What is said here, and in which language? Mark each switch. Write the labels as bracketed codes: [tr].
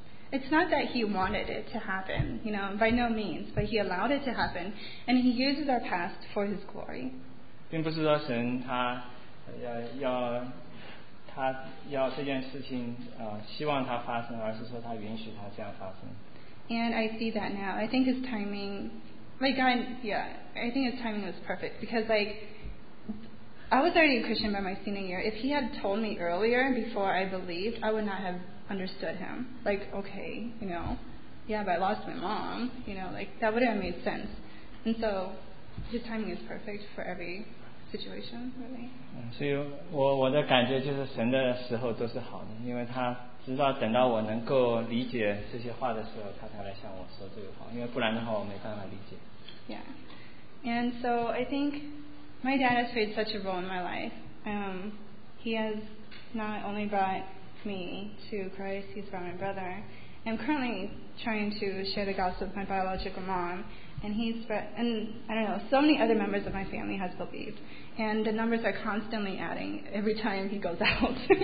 [en] It's not that he wanted it to happen, you know, by no means, but he allowed it to happen, and he uses our past for his glory. [zh] 并不是说神他要这件事情希望它发生，而是说他允许它这样发生。 [en] And I see that now. I think his timing. My God, yeah, I think his timing was perfect because, like, I was already a Christian by my senior year. If he had told me earlier before I believed, I would not have understood him. Like, okay, you know, yeah, but I lost my mom, you know, like, that would have made sense. And so his timing is perfect for every situation, really. [zh] 所以我的感觉就是神的时候都是好的，因为他直到等到我能够理解这些话的时候，他才来向我说这个话，因为不然的话我没办法理解。 [en] Yeah, and so I think my dad has played such a role in my life. He has not only brought me to Christ, he's brought my brother. I'm currently trying to share the gospel with my biological mom, and he's and I don't know, so many other members of my family has believed, and the numbers are constantly adding every time he goes out.